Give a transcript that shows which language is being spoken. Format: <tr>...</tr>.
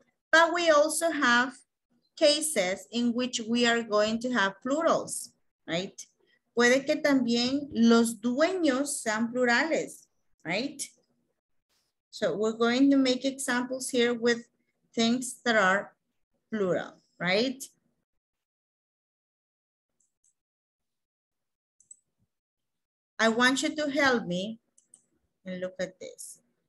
<en>But we also have cases in which we are going to have plurals, right?</en> <es>Puede que también los dueños sean plurales, right?</es> <en>So we're going to make examples here with things that are plural, right? I want you to help me and look at this.</en>